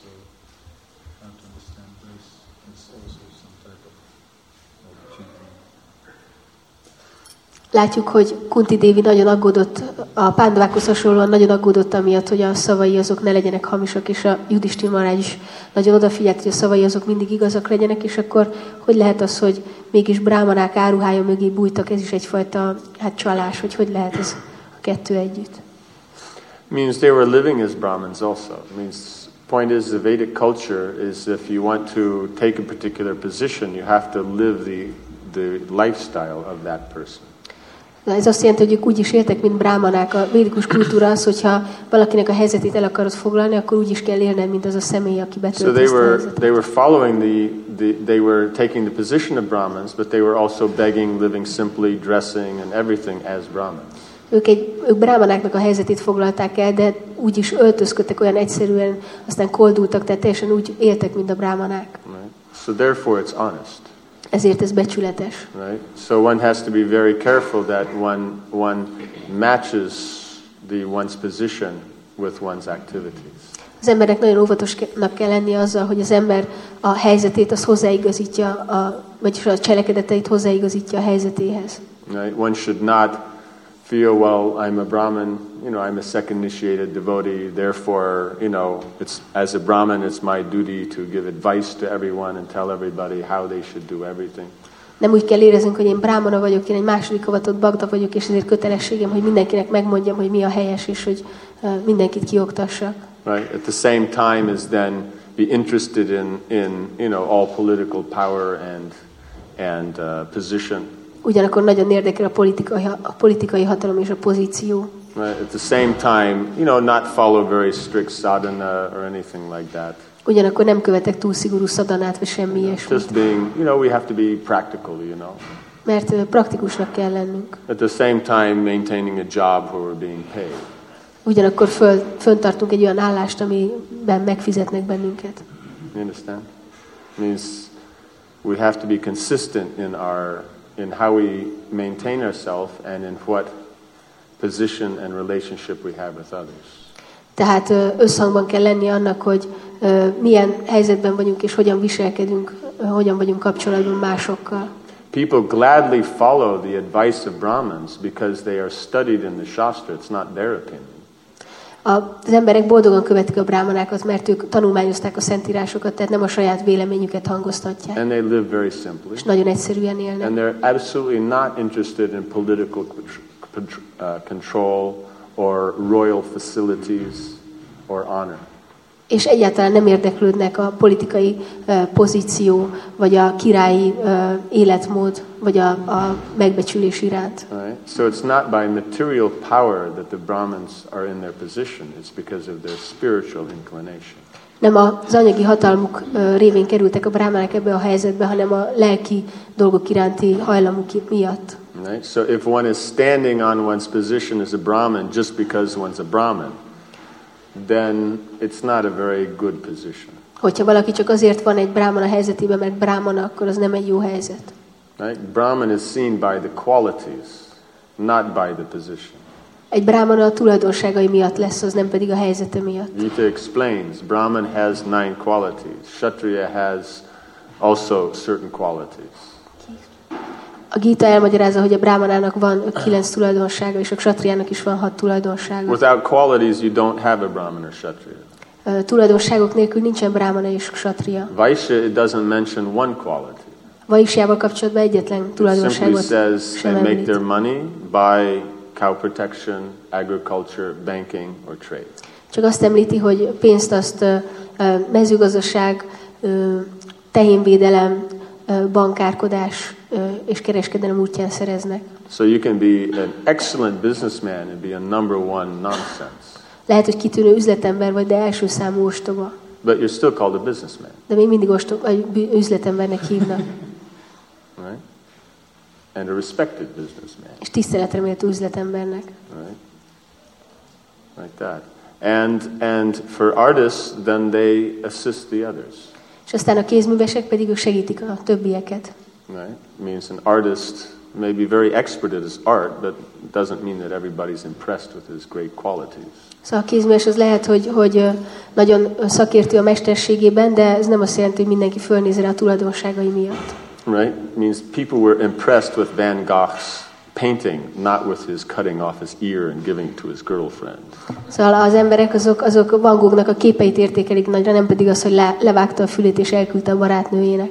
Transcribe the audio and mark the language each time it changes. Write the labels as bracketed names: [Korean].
[English] So I can't understand this. It's also some type of chanting. [Hungarian] Látjuk, hogy Kunti Dévi nagyon aggódott, a Pándavákhoz hasonlóan nagyon aggódott amiatt, hogy a szavai azok ne legyenek hamisak, és a Yudhishthira Maharaj is nagyon odafigyelt, hogy a szavai azok mindig igazak legyenek, és akkor hogy lehet az, hogy mégis brámanák áruhája mögé bújtak, ez is egyfajta hát csalás, hogy lehet ez a kettő együtt. [English] Means they were living as Brahmins also. Means point is the Vedic culture is if you want to take a particular position, you have to live the lifestyle of that person. [Hungarian] Na, ez azt jelenti, hogy ők úgy is éltek, mint brámanák. A védikus kultúra az, hogyha valakinek a helyzetét el akarod foglalni, akkor úgy is kell élned, mint az a személy, aki betölt [English] so they were following they were taking the position of Brahmins, but they were also begging, living simply, dressing and everything as Brahmins. [Hungarian] Ők brámanáknak a helyzetét foglalták el, de úgy is öltözködtek olyan egyszerűen, aztán koldultak, tehát teljesen úgy éltek, mint a brámanák. [English] Right. So therefore it's honest. [Hungarian] Ezért ez becsületes. [English] Right. So one has to be very careful that one matches the one's position with one's activities. [Hungarian] Az embernek nagyon óvatosnak kell lennie azzal, hogy az ember a helyzetét az hozzáigazítja, vagyis a cselekedeteit hozzáigazítja a helyzetéhez. [English] Right. One should not feel, well, I'm a Brahmin, you know, I'm a second initiated devotee, therefore, you know, it's as a Brahmin, it's my duty to give advice to everyone and tell everybody how they should do everything. [Hungarian] Nem úgy kell éreznünk, hogy én brámana vagyok, én egy második avatott bagda vagyok, és ezért kötelességem, hogy mindenkinek megmondjam, hogy mi a helyes, és hogy mindenkit kioktassak. [English] Right. At the same time is then be interested in you know, all political power and position. [Hungarian] Ugyanakkor nagyon érdekel a politikai hatalom és a pozíció. [English] Right. At the same time, you know, not follow very strict sadhana or anything like that. [Hungarian] Ugyanakkor nem követek túl szigorú szadanát, vagy semmi ilyesmit. [English] Just being, you know, we have to be practical, you know. [Hungarian] Mert praktikusnak kell lennünk. [English] At the same time maintaining a job where we're being paid. [Hungarian] Ugyanakkor fönntartunk egy olyan állást, amiben megfizetnek bennünket. [English] You understand? Means we have to be consistent in how we maintain ourselves and in what position and relationship we have with others. [Hungarian] Tehát összhangban kell lenni annak, hogy milyen helyzetben vagyunk és hogyan viselkedünk, hogyan vagyunk kapcsolatban másokkal. [English] People gladly follow the advice of Brahmins because they are studied in the Shastra, it's not their opinion. [Hungarian] Az emberek boldogan követik a brámanákat, mert ők tanulmányozták a szentírásokat, tehát nem a saját véleményüket hangoztatják. [English] And they live very simply. [Hungarian] És nagyon egyszerűen élnek. [English] And they're absolutely not interested in political control or royal facilities or honor. [Hungarian] És egyáltalán nem érdeklődnek a politikai pozíció vagy a királyi életmód vagy a megbecsülés iránt. [English] Right. So it's not by material power that the Brahmins are in their position, it's because of their spiritual inclination. [Hungarian] Nem az anyagi hatalmuk révén kerültek a brahmanák ebbe a helyzetbe, hanem a lelki dolgok iránti hajlamuk miatt. [English] Right. So if one is standing on one's position as a Brahmin just because one's a Brahmin, then it's not a very good position. [Hungarian] Hogyha valaki csak azért van egy brahmana helyzetében, mert brahmana, akkor az nem egy jó helyzet. [English] Right? Brahman is seen by the qualities, not by the position. [Hungarian] Egy brahmana a tulajdonságai miatt lesz, az nem pedig a helyzete miatt. [English] Gita explains, Brahman has 9 qualities. Kshatriya has also certain qualities. [Hungarian] A Gita elmagyarázza, hogy a brahmanának van 9 tulajdonsága, és a kshatriának is van 6 tulajdonsága. [English] Without qualities, you don't have a brahman or kshatriya. [Hungarian] Tulajdonságok nélkül nincsen brahmana és kshatriya. [English] Vaishya doesn't mention one quality. [Hungarian] Vaishyával kapcsolatban egyetlen tulajdonságot sem említ. [English] Simply says they make their money by cow protection, agriculture, banking or trade. [Hungarian] Csak azt említi, hogy pénzt azt mezőgazdaság, tehénvédelem, bankárkodás és kereskedelem útján szereznek. [English] So you can be an excellent businessman and be a number one nonsense. [Hungarian] Lehet, hogy kitűnő üzletember vagy, de első számú ostoba. [English] But you're still called a businessman. [Hungarian] De még mindig üzletembernek hívnak. [English] Right? And a respected businessman. [Hungarian] És tiszteletre méltó üzletembernek. [English] Right? Like that. And for artists, then they assist the others. [Hungarian] És aztán a kézművesek pedig ők segítik a többieket. [English] Right? Means an artist may be very expert at his art, but doesn't mean that everybody's impressed with his great qualities. [Hungarian] Szóval a kézműves az lehet, hogy nagyon szakértő a mesterségében, de ez nem azt jelenti, hogy mindenki fölnéz rá a tulajdonságai miatt. [English] Right? Means people were impressed with Van Gogh's painting, not with his cutting off his ear and giving it to his girlfriend. [Hungarian] Szóval az emberek azok Van Goghnak a képeit értékelik nagyra, nem pedig az, hogy levágta a fülét és elküldte a barátnőjének.